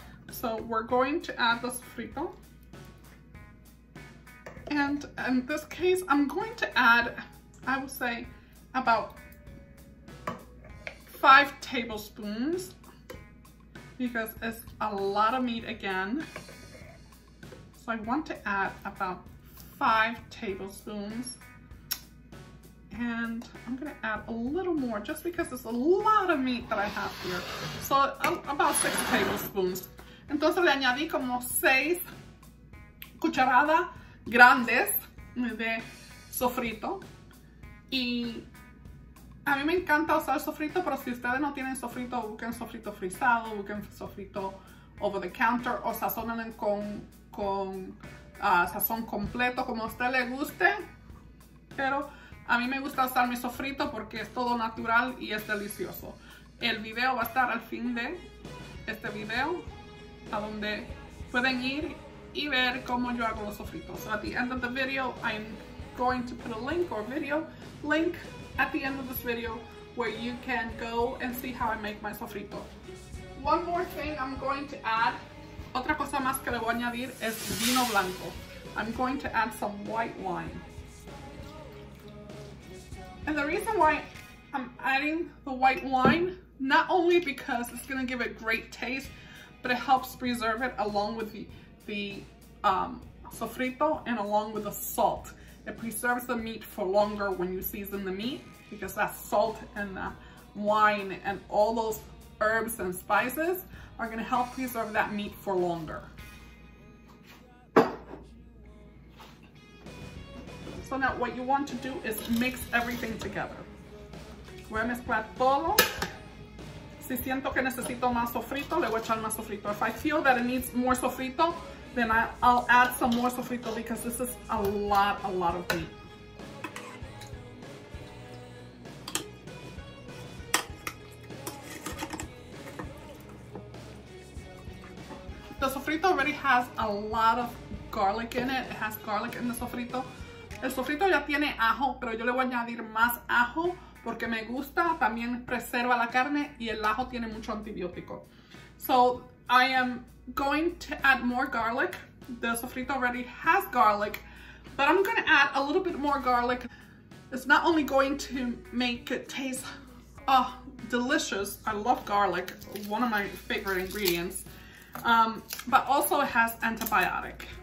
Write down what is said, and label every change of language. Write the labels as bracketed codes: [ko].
[en] So we're going to add the sofrito, and in this case I'm going to add, I would say, about 5 tablespoons, because it's a lot of meat again. So I want to add about 5 tablespoons. And I'm gonna add a little more just because it's a lot of meat that I have here. So about 6 tablespoons. [es] Entonces le añadí como 6 cucharadas grandes de sofrito. Y a mí me encanta usar sofrito, pero si ustedes no tienen sofrito, busquen sofrito frisado, busquen sofrito [en] over the counter, [es] o sazónenlo con sazón completo, como a usted le guste. Pero a mí me gusta usar mi sofrito porque es todo natural y es delicioso. El video va a estar al fin de este video, a donde pueden ir y ver cómo yo hago los sofritos. [en] So at the end of the video, I'm going to put a link or video link at the end of this video where you can go and see how I make my sofrito. One more thing I'm going to add. [es] Otra cosa más que le voy a añadir es vino blanco. [en] I'm going to add some white wine. And the reason why I'm adding the white wine, not only because it's gonna give it great taste, but it helps preserve it along with the sofrito and along with the salt. It preserves the meat for longer when you season the meat, because that salt and the wine and all those herbs and spices are gonna help preserve that meat for longer. So now what you want to do is mix everything together. [es] Voy a mezclar todo. Si siento que necesito más sofrito, le voy a echar más sofrito. [en] If I feel that it needs more sofrito, then I'll add some more sofrito, because this is a lot of meat. The sofrito already has a lot of garlic in it. It has garlic in the sofrito. [es] El sofrito ya tiene ajo, pero yo le voy a añadir más ajo porque me gusta, también preserva la carne, y el ajo tiene mucho antibiótico. [en] So I am going to add more garlic. The sofrito already has garlic, but I'm gonna add a little bit more garlic. It's not only going to make it taste delicious, I love garlic, one of my favorite ingredients, but also it has antibiotic.